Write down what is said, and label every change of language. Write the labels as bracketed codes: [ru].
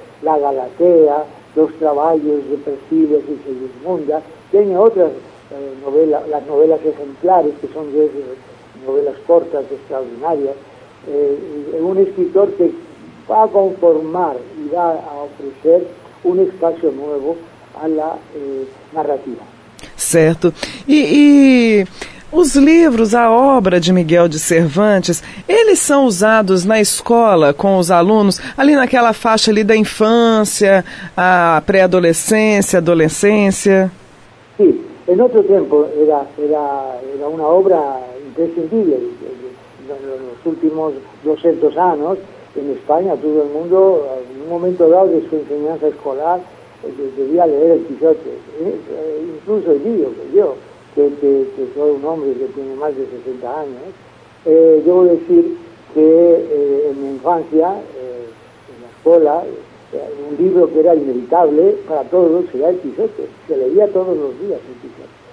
[es] La Galatea, Los Trabajos de Persiles y Segismunda, tiene otras novelas, las novelas ejemplares, que son de novelas cortas, extraordinarias. Un escritor que va a conformar y va a ofrecer un espacio nuevo a la narrativa. [pt] Certo. E os livros, a obra de Miguel de Cervantes, eles são usados na escola com os alunos, ali naquela faixa ali da infância, a pré-adolescência, adolescência? Sim. Em outro tempo, era uma obra imprescindível. Nos últimos 200 anos, em Espanha, todo o mundo, em um momento dado de sua [es] enseñanza escolar, debía leer el Quijote, incluso el mío, que soy un hombre que tiene más de 60 años, debo decir que en mi infancia, en la escuela, un libro que era inevitable para todos era el Quijote, se leía todos los días el Quijote.